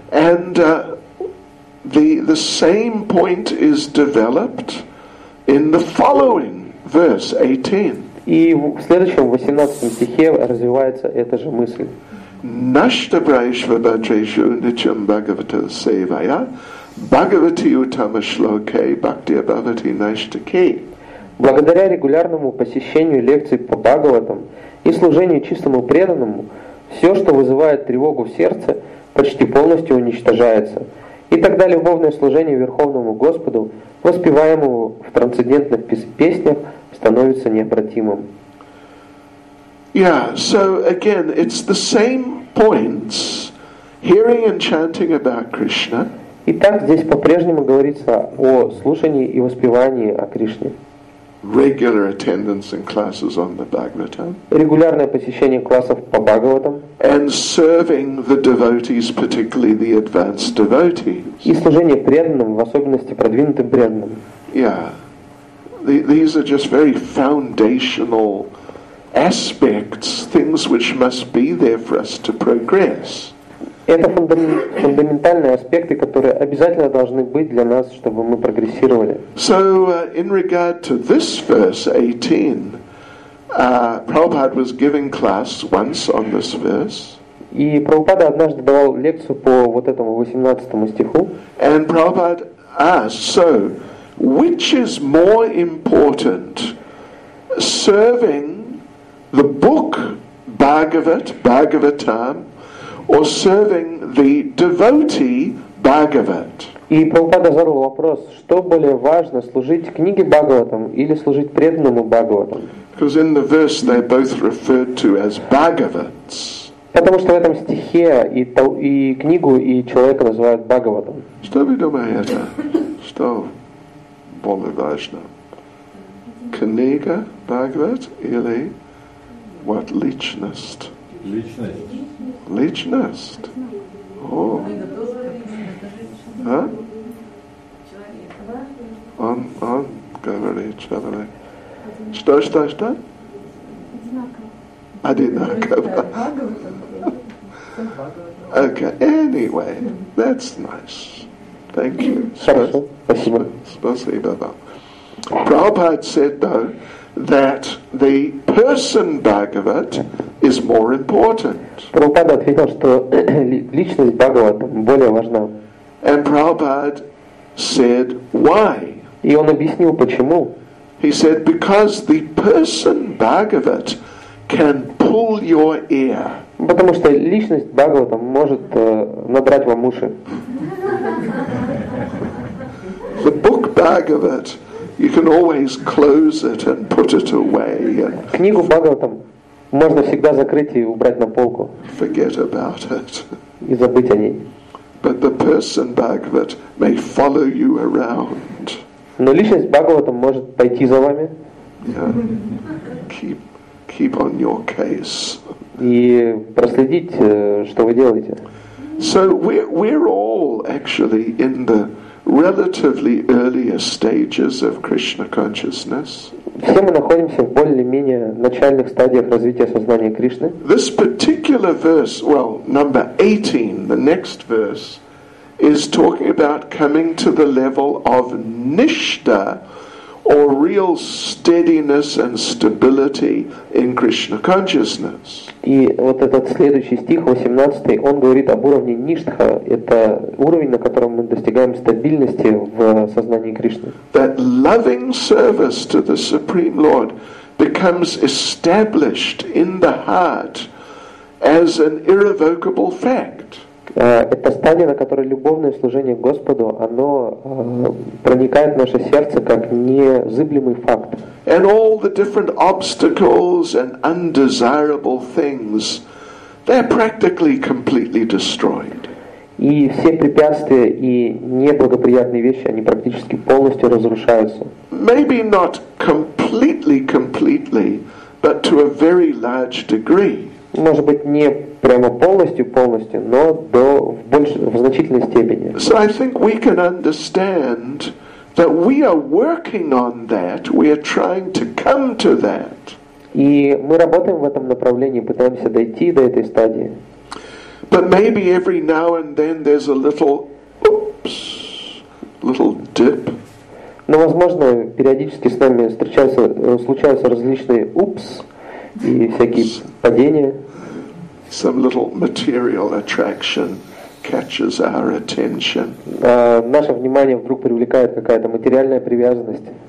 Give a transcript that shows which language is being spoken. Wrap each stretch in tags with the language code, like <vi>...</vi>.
<en>And the same point is developed in the following verse 18.</en> <ru>И в следующем 18 стихе развивается эта же мысль.</ru> <sa>Нашта брайшва бадрешу ничам бхагавата севая бхагавати утама шлоке бхакти бхагавати нашта ке.</sa> <ru>Благодаря регулярному посещению лекций по Бхагаватам и служению чистому преданному, все, что вызывает тревогу в сердце, почти полностью уничтожается. И тогда любовное служение Верховному Господу, воспеваемому в трансцендентных песнях, становится необратимым.</ru> <en>Yeah, so again, it's the same points, hearing and chanting about Krishna.</en> <ru>Итак, здесь по-прежнему говорится о слушании и воспевании о Кришне.</ru> <en>Regular attendance in classes on the Bhagavatam.</en> <ru>Регулярное посещение классов по Бхагаватам.</ru> <en>And serving the devotees, particularly the advanced devotees.</en> <ru>И служение преданным, в особенности продвинутым преданным.</ru> <en>Yeah, these are just very foundational aspects, things which must be there for us to progress.</en> <ru>Это фундаментальные аспекты, которые обязательно должны быть для нас, чтобы мы прогрессировали.</ru> <en>So, in regard to this verse 18, Prabhupada was giving class once on this verse.</en> <ru>И Прабхупада однажды давал лекцию по вот этому 18 стиху.</ru> <en>And Prabhupada asked, so, which is more important, serving the book Bhagavatam, or serving the devotee Bhagavat.</en> <ru>И Прабхупада задал вопрос, что более важно, служить книге Бхагаватам или служить преданному Бхагаватам?</ru> <en>Because in the verse they both referred to as Bhagavats.</en> <ru>Потому что в этом стихе и книгу, и человека называют Бхагаватом. Что вы думаете? Что более важно? Книга Бхагават или</ru> <en>what</en> <ru>личность? Личность. Личность. О. А? Он говорит, человек. Что? Одинаково.</ru> <en>Okay, anyway, that's nice. Thank you.</en> <ru>Спасибо.</ru> <en>Prabhupada said, though, that the person Bhagavat is more important.</en> <ru>Прабхупада ответил, что личность Бхагават более важна.</ru> <en>And Prabhupada said why.</en> <ru>И он объяснил почему.</ru> <en>He said because the person Bhagavat can pull your ear.</en> <ru>Потому что личность Бхагаватам может надрать вам уши.</ru> <en>The book Bhagavat, you can always close it and put it away.</en> <ru>Книгу Бхагаватам можно всегда закрыть и убрать на полку.</ru> <en>Forget about it.</en> <ru>И забыть о ней.</ru> <en>But the person Bhagavat may follow you around.</en> <ru>Но личность Бхагавата может пойти за вами.</ru> <en>Keep on your case.</en> <ru>И проследить, что вы делаете.</ru> <en>So we're all actually in the relatively earlier stages of Krishna consciousness.</en> <ru>Все мы находимся в более-менее начальных стадиях развития сознания Кришны.</ru> <en>This particular verse, well, number 18, the next verse, is talking about coming to the level of nishta, or real steadiness and stability in Krishna consciousness.</en> <ru>И вот этот следующий стих, 18, он говорит об уровне ништха. Это уровень, на котором мы достигаем стабильности в сознании Кришны.</ru> <en>That loving service to the Supreme Lord becomes established in the heart as an irrevocable fact.</en> <ru>Это стадия, на которой любовное служение Господу, оно проникает в наше сердце как незыблемый факт.</ru> <en>And all the different obstacles and undesirable things, they're practically completely destroyed.</en> <ru>И все препятствия и неблагоприятные вещи, они практически полностью разрушаются.</ru> <en>Maybe not completely, but to a very large degree.</en> <ru>Может быть, не прямо полностью, но в значительной степени.</ru> <en>So I think we can understand that we are working on that, we are trying to come to that.</en> <ru>И мы работаем в этом направлении, пытаемся дойти до этой стадии.</ru> <en>But maybe every now and then there's a little dip.</en> <ru>Но, возможно, периодически с нами случаются различные упс и всякие падения.</ru> <en>Some little material attraction catches our attention.</en> <ru>Наше внимание вдруг привлекает какая-то материальная привязанность.</ru>